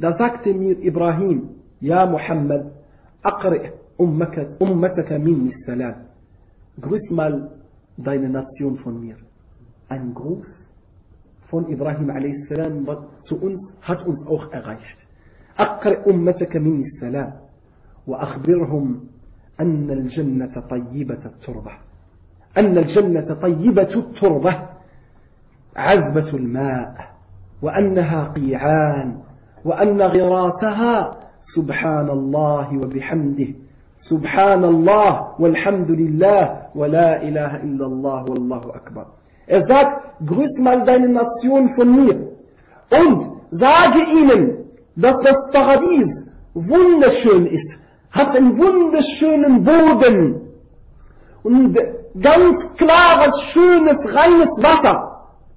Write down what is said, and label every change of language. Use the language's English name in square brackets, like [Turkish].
[German] Da sagte mir Ibrahim, Ja Muhammad, [Arabic] أَقْرِئْ أُمَّتَكَ مِنِّي السَّلَامِ. [German] Grüß mal deine Nation von mir. Ein Gruß von Ibrahim a.s. zu uns hat uns auch erreicht. [Arabic] أَقْرِئْ أُمَّتَكَ مِنِّي السَّلَامِ وَأَخْبِرْهُمْ أَنَّ الْجَنَّةَ طَيِّبَةَ التُّرْبَةَ أَنَّ الْجَنَّةَ طَيِّبَةُ التُّرْبَةَ عَذْبَةُ الْمَاءِ وأنها قيعان وأن غراسها سبحان الله وبحمده سبحان الله والحمد لله ولا إله إلا الله والله أكبر. [German] Er sagt, grüß mal deine Nation von mir und sage ihnen, dass das Paradies wunderschön ist, hat einen wunderschönen Boden und ganz klares, schönes, reines Wasser.